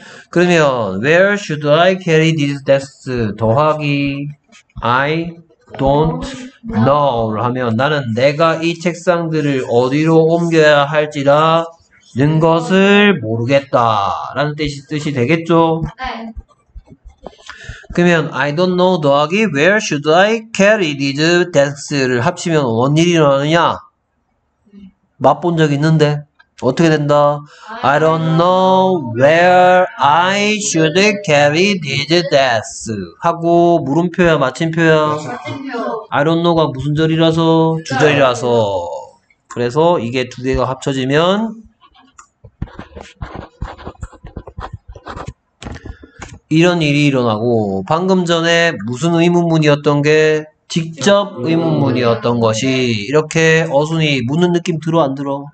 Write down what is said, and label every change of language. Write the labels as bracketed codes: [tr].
[ko] 그러면 [en] Where should I carry these desks? [ko] 더하기 [en] I don't know [ko] 하면 나는 내가 이 책상들을 어디로 옮겨야 할지라는 것을 모르겠다 라는 뜻이 되겠죠? 그러면 [en] I don't know [ko] 더하기 [en] Where should I carry these desks? [ko] 를 합치면 뭔 일이 일어나느냐? 맛본 적 있는데 어떻게 된다? [en] I don't know where I should carry these desks. [ko] 하고 물음표야 마침표야? 마침표. [en] I don't know [ko] 가 무슨 절이라서? 주절이라서. 그래서 이게 두 개가 합쳐지면 이런 일이 일어나고 방금 전에 무슨 의문문이었던 게 직접 의문문이었던 것이 이렇게 어순이 묻는 느낌 들어 안 들어?